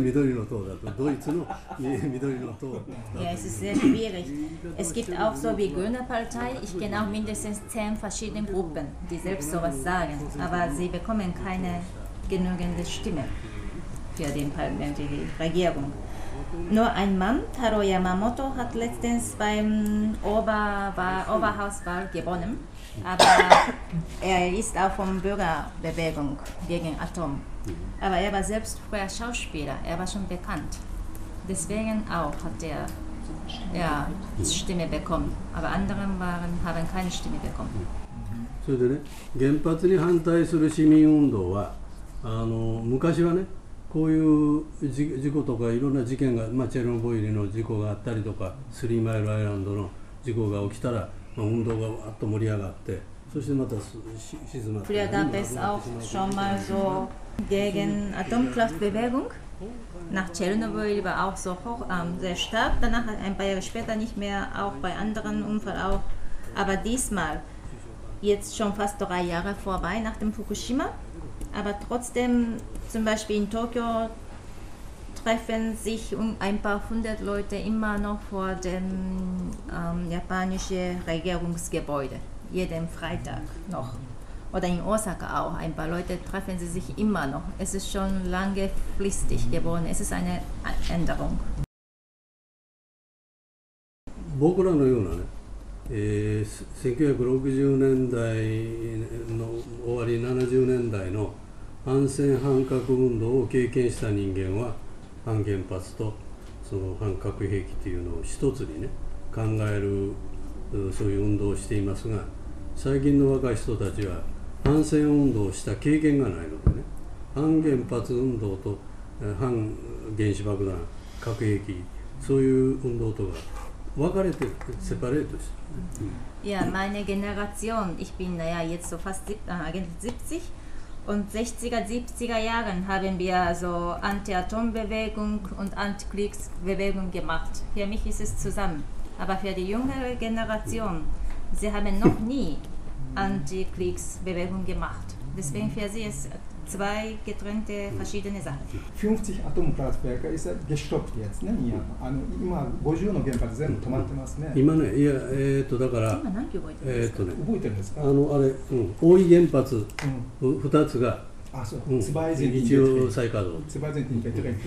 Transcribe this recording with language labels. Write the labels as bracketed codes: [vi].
[ja] 緑の党のような政党はね、まあ僕が知る限り10個ぐらいありますね。でも政権には入ってない。もう何一つね。自分たちが緑の党だと、ドイツの緑の党。Ja, [de] es ist sehr schwierig. Es gibt auch so wie Grüne Partei. Ich kenne auch mindestens 10 verschiedene Gruppen, die selbst sowas sagen. Aber sie bekommen keine genügende Stimme für den Parlament, die Regierung. Nur ein Mann, Taro Yamamoto, hat letztens beim Oberhauswahl gewonnen. Aber er ist auch von Bürgerbewegung gegen Atom. Aber er war selbst früher Schauspieler, er war schon bekannt. Deswegen auch hat er ja, Stimme bekommen. Aber andere haben keine Stimme bekommen. So, die [ja] Genpatri-Hantai-Sulu-Shimin-Undo-Wa昔はね こういう事故とかいろんな事件が、チェルノブイリの事故があったりとか、スリーマイルアイランドの事故が起きたら、運動がわっと盛り上がって、そしてまた静まって。Früher [de] gab es auch schon mal so gegen Atomkraftbewegung. Nach Tschernobyl war auch so hoch, sehr stark. Danach ein paar Jahre später nicht mehr, auch bei anderen Unfällen auch. Aber diesmal, jetzt schon fast 3 Jahre vorbei nach dem Fukushima, aber trotzdem. Zum Beispiel in Tokio treffen sich ein paar hundert Leute immer noch vor dem japanischen Regierungsgebäude, jeden Freitag noch. Oder in Osaka auch, ein paar Leute treffen sie sich immer noch. Es ist schon lange fristig geworden, es ist eine Änderung. [ja] Wir, 1960年代の終わり、70年代の 反戦反核運動を経験した人間は反原発とその反核兵器というのを一つにね考えるそういう運動をしていますが最近の若い人たちは反戦運動をした経験がないのでね、反原発運動と反原子爆弾、核兵器、そういう運動とが分かれてる、セパレートしてる。 [de] Ja, meine Generation, ich bin naja jetzt so fast 70 und 60er, 70er Jahren haben wir so Anti-Atom-Bewegung und Anti-Kriegs-Bewegung gemacht. Für mich ist es zusammen. Aber für die jüngere Generation, sie haben noch nie Anti-Kriegs-Bewegung gemacht. Deswegen für sie ist es zwei getrennte verschiedene Sachen. 50 Atomkraftwerke ist gestoppt jetzt, ne? Ja. [ja] Also, 50 の原発全部止まってますね。今ね、いや、だから、今何て覚えてるんですか？あれ、大井原発2つが、あ、そう、ツバイゼンティン。一応再稼働。ツバイゼンティン、ペトレン。